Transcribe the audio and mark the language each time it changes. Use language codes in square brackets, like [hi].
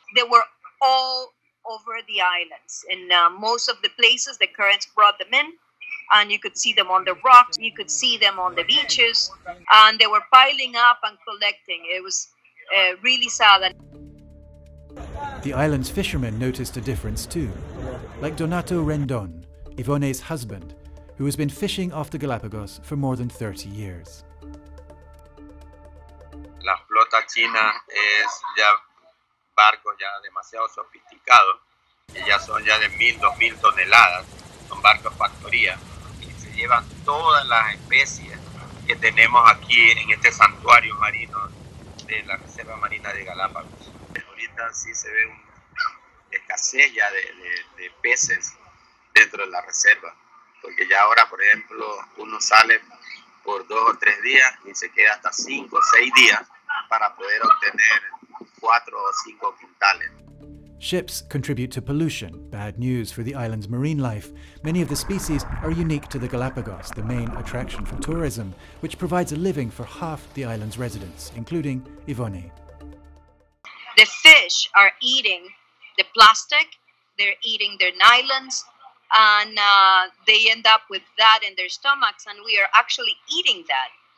[en] They were all over the islands. In most of the places, the currents brought them in, and you could see them on the rocks, you could see them on the beaches, and they were piling up and collecting. It was really sad. The island's fishermen noticed a difference too, like Donato Rendon, Ivone's husband, who has been fishing off the Galapagos for more than 30 years. [es] La flota china es ya barcos ya demasiado sofisticados, ya son ya de 1,000-2,000 toneladas, son barcos factoría, y se llevan todas las especies que tenemos aquí en este santuario marino de la Reserva Marina de Galapagos. Ahorita sí se ve un escasez ya de peces dentro de la reserva, porque ya ahora, por ejemplo, uno sale por 2 o 3 días y se queda hasta 5 o 6 días para poder obtener 4 o 5 quintales. [en] Ships contribute to pollution, bad news for the island's marine life. Many of the species are unique to the Galapagos, the main attraction for tourism, which provides a living for half the island's residents, including Ivone. The fish are eating the plastic, they're eating their nylons, and they end up with that in their stomachs, and we are actually eating that.